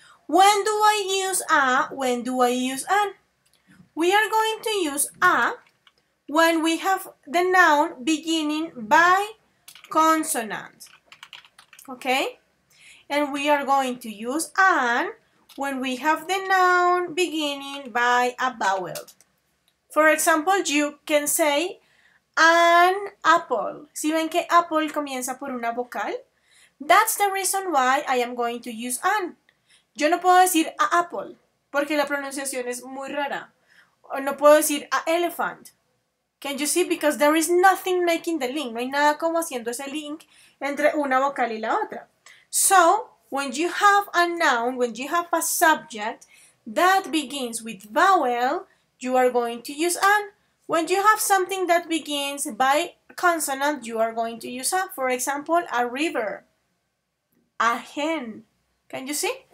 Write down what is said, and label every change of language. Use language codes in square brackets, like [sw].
[en] When do I use a? When do I use an? We are going to use a when we have the noun beginning by consonant. Okay? And we are going to use an when we have the noun beginning by a vowel. For example, you can say an apple. [es] ¿Sí ven que apple comienza por una vocal? [en] That's the reason why I am going to use an. [es] Yo no puedo decir [en] a apple [es] porque la pronunciación es muy rara. No puedo decir [en] a elephant. Can you see? Because there is nothing making the link. [es] No hay nada como haciendo ese link entre una vocal y la otra. [en] So, when you have a noun, when you have a subject that begins with vowel, you are going to use an. When you have something that begins by consonant, you are going to use a. For example, a river. A hen. Can you see?